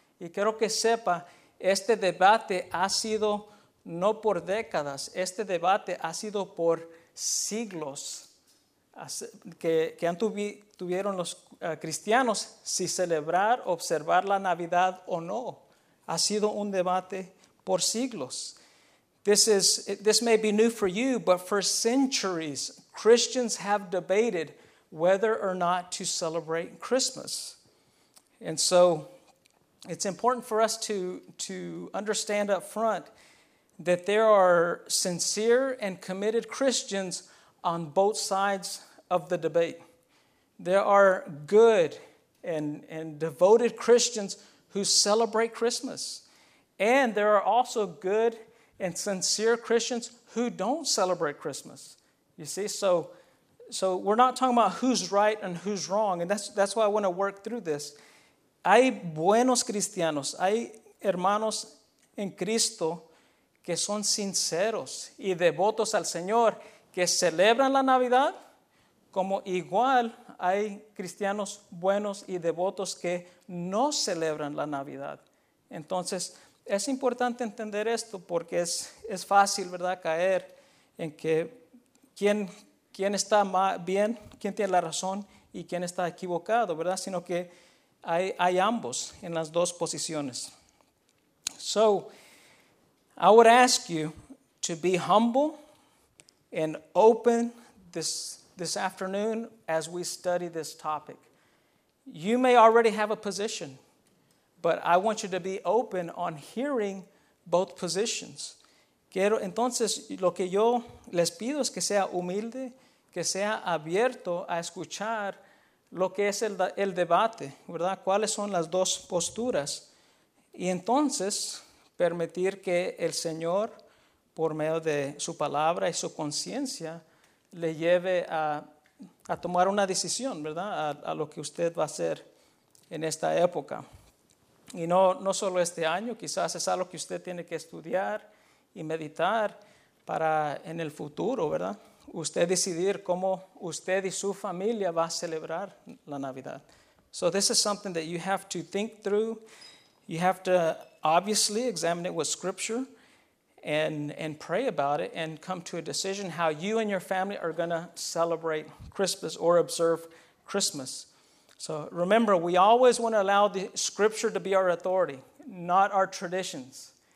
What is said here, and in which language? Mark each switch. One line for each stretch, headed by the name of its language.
Spanish: Y quiero que sepa, este debate ha sido no por décadas, este debate ha sido por siglos que han tuvieron los cristianos si celebrar, observar la Navidad o no. Ha sido un debate por siglos.
English: This may be new for you, but for centuries, Christians have debated whether or not to celebrate Christmas. And so it's important for us to understand up front that there are sincere and committed Christians on both sides of the debate. There are good and devoted Christians who celebrate Christmas. And there are also good and sincere Christians who don't celebrate Christmas. You see, so we're not talking about who's right and who's wrong. And that's why I want to work through this.
Spanish: Hay buenos cristianos. Hay hermanos en Cristo que son sinceros y devotos al Señor que celebran la Navidad como igual hay cristianos buenos y devotos que no celebran la Navidad. Entonces, es importante entender esto porque es fácil, ¿verdad?, caer en que quién está bien, quién tiene la razón y quién está equivocado, ¿verdad? Sino que hay ambos en las dos posiciones.
English: So, I would ask you to be humble and open this afternoon as we study this topic. You may already have a position, but I want you to be open on hearing both positions.
Spanish: Quiero, entonces, lo que yo les pido es que sea humilde, que sea abierto a escuchar lo que es el debate, ¿verdad? ¿Cuáles son las dos posturas? Y entonces, permitir que el Señor, por medio de su palabra y su conciencia, le lleve a tomar una decisión, ¿verdad? A lo que usted va a hacer en esta época. Y no solo este año, quizás es algo que usted tiene que estudiar y meditar para en el futuro, ¿verdad? Usted decidir cómo usted y su familia va a celebrar la Navidad.
English: So this is something that you have to think through. You have to obviously examine it with scripture and pray about it and come to a decision how you and your family are going to celebrate Christmas or observe Christmas. So remember, we always want to allow the scripture to be our authority, not our traditions.